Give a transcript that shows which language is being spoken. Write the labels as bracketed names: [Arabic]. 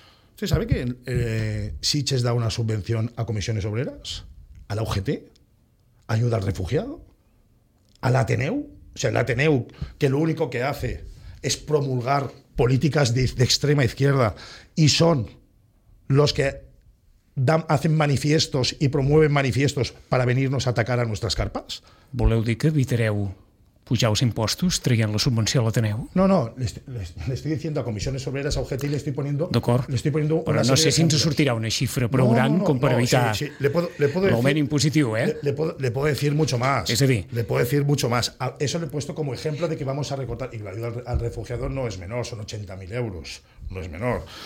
[Spanish] ¿Usted sabe que Sitges da una subvención a Comisiones Obreras? ¿A la UGT? ¿Ayuda al refugiado? ¿Al Ateneu? O sea, el Ateneu, que lo único que hace es promulgar políticas de extrema izquierda y son los que hacen manifiestos y promueven manifiestos para venirnos a atacar a nuestras carpas. [Catalan] ¿Voleu dir que evitareu pujar els impostos traient la subvenció a l'Ateneu? [Spanish] No, no, le estoy diciendo a Comisiones Obreras, a UGT, y le estoy poniendo... [Catalan] D'acord, però no sé si ens sortirà una xifra prou gran com per evitar l'augment impositiu, eh? [Spanish] Le puedo decir mucho más. [Catalan] És a dir... [Spanish] Le puedo decir mucho más. Eso le he puesto como ejemplo de que vamos a recortar... Y la ayuda al refugiado no es menor, son 80.000 euros, no es menor.